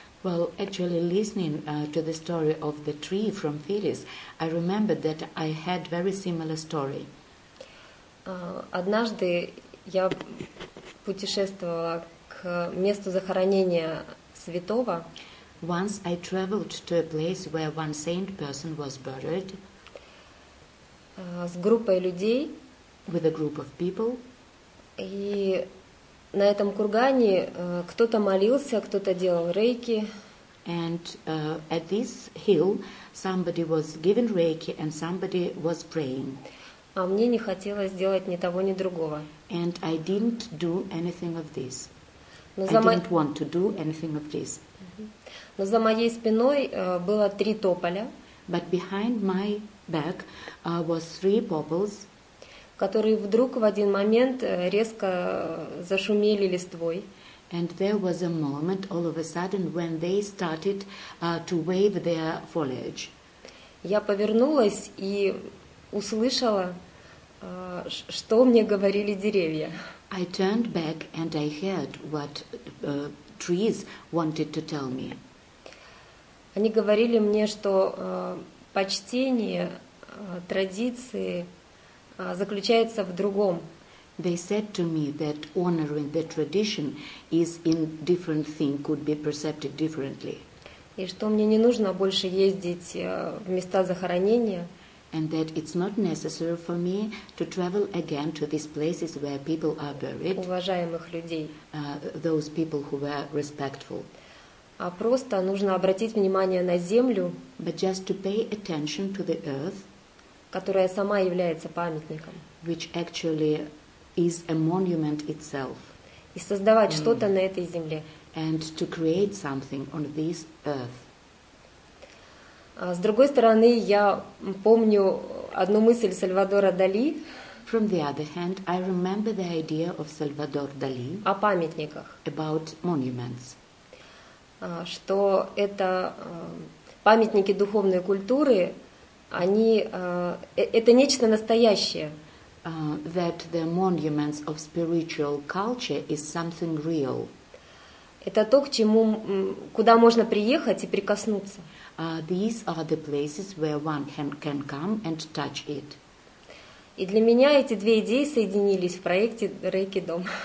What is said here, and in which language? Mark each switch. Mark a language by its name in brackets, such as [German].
[English] Well, actually, listening to the story of the tree from Phyllis, I remembered that I had very similar story. [Russian] Однажды я путешествовала к месту захоронения святого. [English] Once I traveled to a place where one saint person was buried. [Russian] С группой людей. [English] With a group of people. [Russian] И на этом кургане кто-то молился, кто-то делал рейки. [English] And at this hill, somebody was given reiki and somebody was praying. [Russian] А мне не хотелось делать ни того, ни другого. [English] And I didn't do anything of this. I didn't want to do anything of this. [Russian] Но за моей спиной было три тополя. [English] But behind my back was three popples. [Russian] Которые вдруг в один момент резко зашумели листвой. [English] And there was a moment all of a sudden when they started to wave their foliage. [Russian] Я повернулась и услышала, что мне говорили деревья. [English] I turned back and I heard what trees wanted to tell me. [Russian] Они говорили мне, что почтение традиции заключается в другом. [English] They said to me that honoring the tradition is in different thing, could be perceived differently. [Russian] И что мне не нужно больше ездить в места захоронения. [English] And that it's not necessary for me to travel again to these places where people are buried. [Russian] Уважаемых людей. [English] Those people who were respectful. [Russian] А просто нужно обратить внимание на землю. [English] But just to pay attention to the earth. [Russian] Которая сама является памятником. [English] Which actually is a monument itself. [Russian] И создавать что-то на этой земле. [English] And to create something on this earth. [Russian] С другой стороны, я помню одну мысль Сальвадора Дали. [English] From the other hand, I remember the idea of Salvador Dali. [Russian] О памятниках. [English] About monuments. [Russian] Что это памятники духовной культуры, они это нечто настоящее. [English] That the monuments of spiritual culture is something real. [Russian] Это то, к чему, куда можно приехать и прикоснуться. [English] These are the places where one can come and touch it. [Russian] И для меня эти две идеи соединились в проекте Reiki Dom.